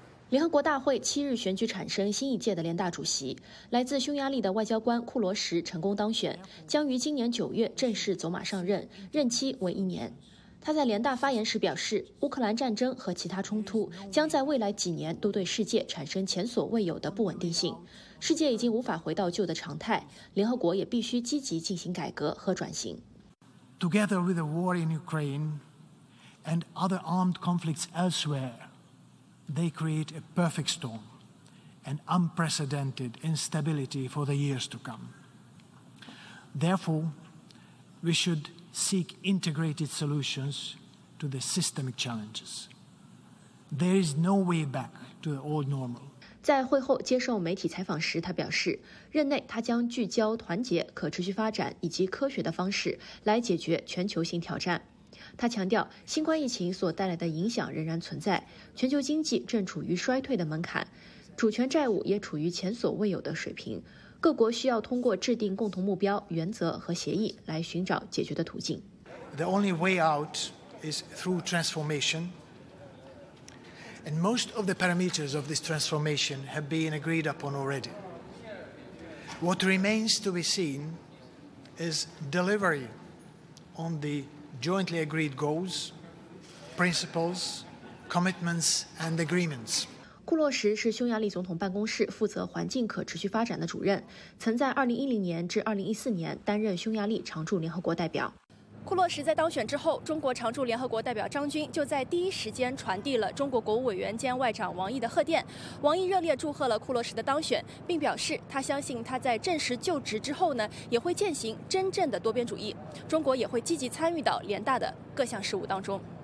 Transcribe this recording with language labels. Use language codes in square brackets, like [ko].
[zh] 联合国大会7日选举产生新一届的联大主席，来自匈牙利的外交官库罗什成功当选，将于今年9月正式走马上任，任期为1年。他在联大发言时表示，乌克兰战争和其他冲突将在未来几年都对世界产生前所未有的不稳定性，世界已经无法回到旧的常态，联合国也必须积极进行改革和转型。 [en] Together with the war in Ukraine and other armed conflicts elsewhere, they create a perfect storm, an unprecedented instability for the years to come. Therefore, we shouldseek integrated solutions to the systemic challenges. There is no way back to the old normal. [zh] 在会后接受媒体采访时，他表示，任内他将聚焦团结、可持续发展以及科学的方式来解决全球性挑战。他强调，新冠疫情所带来的影响仍然存在，全球经济正处于衰退的门槛，主权债务也处于前所未有的水平，各国需要通过制定共同目标、原则和协议来寻找解决的途径。 [en] The only way out is through transformation, and most of the parameters of this transformation have been agreed upon already. What remains to be seen is delivery on the jointly agreed goals, principles, commitments, and agreements. [zh] 库洛什是匈牙利总统办公室负责环境可持续发展的主任，曾在2010年至2014年担任匈牙利常驻联合国代表。库洛什在当选之后，中国常驻联合国代表张军就在第一时间传递了中国国务委员兼外长王毅的贺电，王毅热烈祝贺了库洛什的当选，并表示他相信他在正式就职之后呢，也会践行真正的多边主义，中国也会积极参与到联大的各项事务当中。